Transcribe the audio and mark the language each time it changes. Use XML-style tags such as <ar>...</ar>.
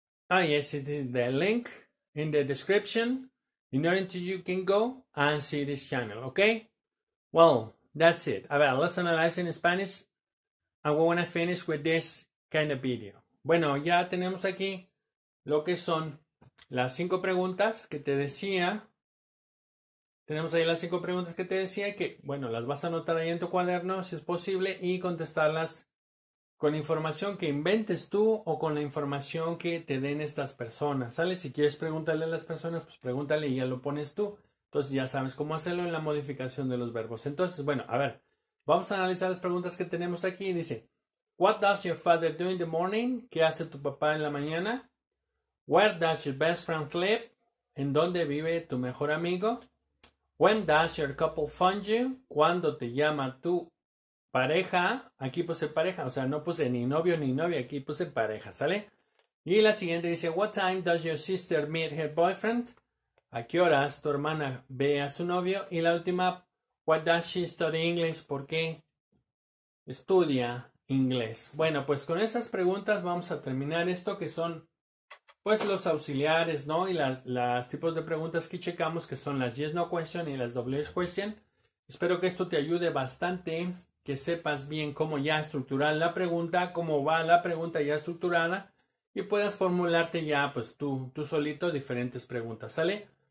<en>It is the link in the description in order to you can go and see this channel, okay? Well, that's it. Well, let's analyze in Spanish. And we want to finish with this kind of video.</en> <es>Bueno, ya tenemos aquí lo que son las cinco preguntas que te decía. Tenemos ahí las cinco preguntas que te decía que, bueno, las vas a anotar ahí en tu cuaderno si es posible y contestarlas con información que inventes tú o con la información que te den estas personas, ¿sale? Si quieres preguntarle a las personas, pues pregúntale y ya lo pones tú. Entonces ya sabes cómo hacerlo en la modificación de los verbos. Entonces, bueno, a ver, vamos a analizar las preguntas que tenemos aquí. Dice,</es> <en>what does your father do in the morning?</en> <es>¿Qué hace tu papá en la mañana?</es> <en>Where does your best friend live?</en> <es>¿En dónde vive tu mejor amigo?</es> <en>When does your couple find you?</en> <es>¿Cuándo te llama tu pareja? Aquí puse pareja, o sea, no puse ni novio ni novia, aquí puse pareja, ¿sale? Y la siguiente dice,</es> <en>what time does your sister meet her boyfriend?</en> <es>¿A qué horas tu hermana ve a su novio? Y la última,</es> <en>what does she study English?</en> <es>¿Por qué estudia inglés? Bueno, pues con estas preguntas vamos a terminar esto que son, pues, los auxiliares, ¿no? Y las tipos de preguntas que checamos, que son las yes no question y las WH question. Espero que esto te ayude bastante, que sepas bien cómo ya estructurar la pregunta, cómo va la pregunta ya estructurada y puedas formularte ya, pues, tú solito diferentes preguntas, ¿sale?</es>